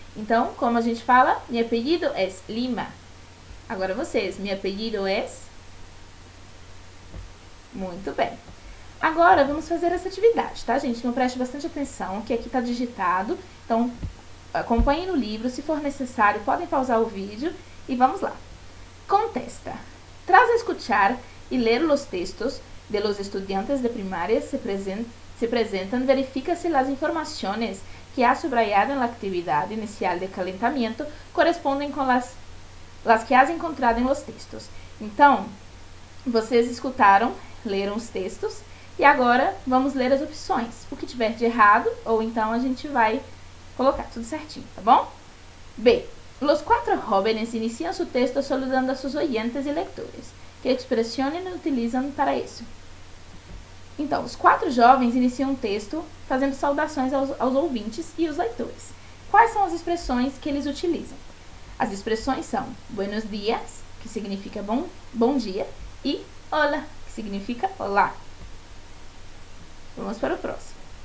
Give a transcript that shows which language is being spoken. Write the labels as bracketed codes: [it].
[pt] Então, como a gente fala, [es] mi apelido es Lima. [pt] Agora vocês, [es] mi apelido es. [pt] Muito bem. Agora, vamos fazer essa atividade, tá, gente? Então, preste bastante atenção, que aqui está digitado. Então, acompanhe no livro. Se for necessário, podem pausar o vídeo. E vamos lá. Contesta. [es] Tras escuchar y leer los textos de los estudiantes de primaria se presentan, verifica si las informaciones que has subrayado en la actividad inicial de calentamiento corresponden con las que has encontrado en los textos. [pt] Então, vocês escutaram, leram os textos e agora vamos ler as opções. O que tiver de errado ou então a gente vai colocar tudo certinho, tá bom? B. [es] Los cuatro jóvenes inician su texto saludando a sus oyentes y lectores. ¿Qué expresiones utilizan para eso? [pt] Então, os quatro jovens iniciam o texto fazendo saudações aos ouvintes e os leitores. Quais são as expressões que eles utilizam? As expressões são [es] buenos días, [pt] que significa bom dia, e hola, que significa olá. Vamos para o próximo.